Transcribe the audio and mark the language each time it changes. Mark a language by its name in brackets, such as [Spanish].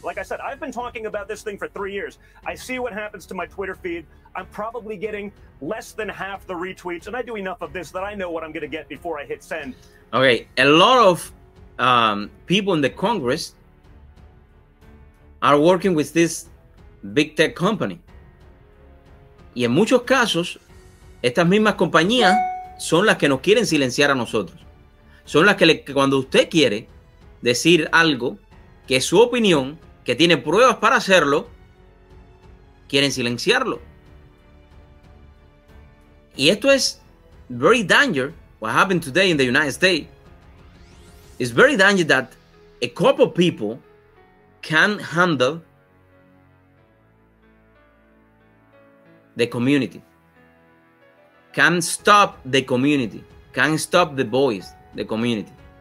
[English] Like I said, I've been talking about this thing for 3 years. I see what happens to my Twitter feed. I'm probably getting less than half the retweets. And I do enough of this that I know what I'm going to get before I hit send. Okay. A lot of people in the Congress are working with this big tech company. [Spanish] Y en muchos casos, estas mismas compañías son las que nos quieren silenciar a nosotros. Son las que cuando usted quiere decir algo, que es su opinión, que tiene pruebas para hacerlo, quieren silenciarlo. Y esto es [English] very dangerous, what happened today in the United States. It's very dangerous that a couple of people can handle the community, can stop the community, can stop the voice, the community.